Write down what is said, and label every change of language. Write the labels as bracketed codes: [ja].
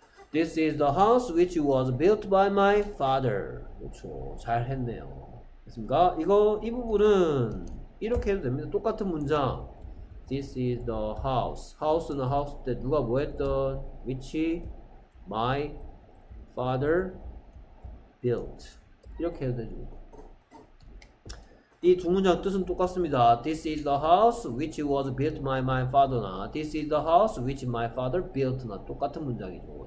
[en] 'This is the house which was built by my father.' [ko] 그렇죠. 잘 했네요. 됐습니까? 이거 이 부분은 이렇게 해도 됩니다. 똑같은 문장. [en] 'This is the house.' [ko] 'House'는 'house' 때 누가 뭐 했던 [en] 'which my father built' [ko] 이렇게 해도 되죠. 이 두 문장 뜻은 똑같습니다. [en] 'This is the house which was built by my father' 나 'This is the house which my father built' [ko] 나 똑같은 문장이죠.